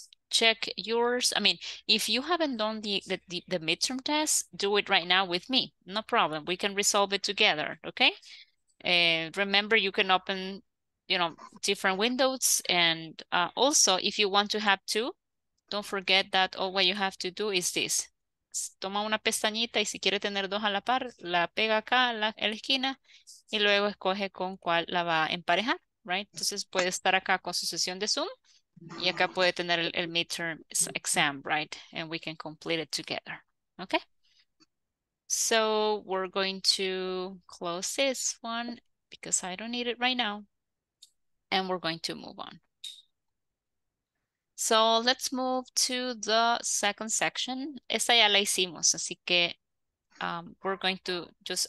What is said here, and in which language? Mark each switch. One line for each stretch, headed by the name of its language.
English: Check yours. I mean, if you haven't done the midterm test, do it right now with me. No problem. We can resolve it together, okay? And remember, you can open, you know, different windows. And also, if you want to have two, don't forget that all what you have to do is this.
Spanish: Toma una pestañita y si quiere tener dos a la par, la pega acá en la esquina y luego escoge con cuál la va a emparejar, right? Entonces puede estar acá con su sesión de Zoom. Y acá puede tener el midterm exam, right?
English: And we can complete it together, okay? So we're going to close this one because I don't need it right now. And we're going to move on. So let's move to the second section.
Spanish: Esta ya la hicimos, así que
English: we're going to just...